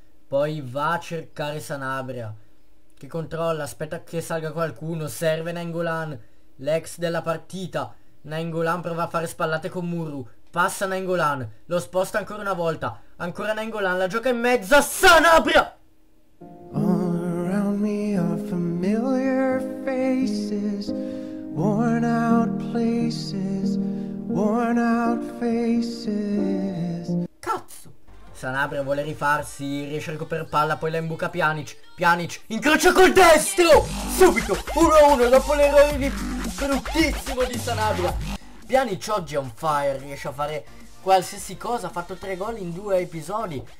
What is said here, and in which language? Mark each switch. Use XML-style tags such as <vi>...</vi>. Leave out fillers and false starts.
<it>Poi va a cercare Sanabria, che controlla, aspetta che salga qualcuno, serve Nainggolan, l'ex della partita. Nainggolan prova a fare spallate con Murru, passa Nainggolan, lo sposta ancora una volta, ancora Nainggolan, la gioca in mezzo, Sanabria!</it> <en>All around me are familiar faces, worn out places, worn out faces.</en> <it>Cazzo! Sanabria vuole rifarsi, riesce a recuperare palla, poi la imbuca Pjanic. Pjanic incrocia col destro! Subito! 1-1 dopo l'errore di bruttissimo di Sanabria. Pjanic oggi è on fire, riesce a fare qualsiasi cosa, ha fatto 3 gol in 2 episodi.</it>